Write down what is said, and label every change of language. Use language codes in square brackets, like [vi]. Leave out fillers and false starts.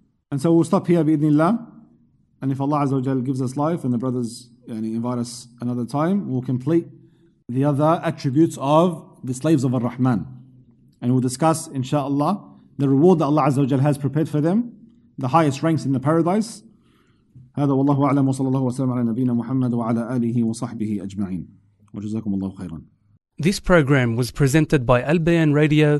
[en] And so we'll stop here [ar] بإذن الله. [en] And if Allah Azza wa Jal gives us life and the brothers invite us another time, we'll complete the other attributes of the slaves of Ar-Rahman. And we'll discuss, inshaAllah, the reward that Allah Azza wa Jal has prepared for them, the highest ranks in the paradise. [ar] هذا والله أعلم وصلى الله وسلم على نبينا محمد وعلى آله وصحبه أجمعين وجزاكم الله خيرا. [en] This program was presented by Al-Bayan Radio.